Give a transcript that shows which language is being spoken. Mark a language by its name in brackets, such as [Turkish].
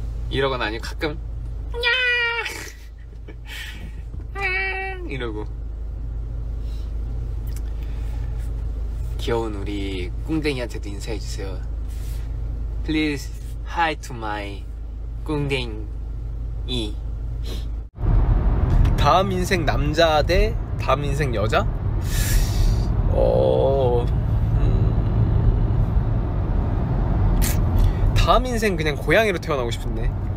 [Korean] 이러거나 아니면 가끔 이러고. 귀여운 우리 꿍댕이한테도 인사해 주세요. [English] Please hi to my 꿍댕이. [Korean] 다음 인생 남자 대 다음 인생 여자? 다음 인생 그냥 고양이로 태어나고 싶은데.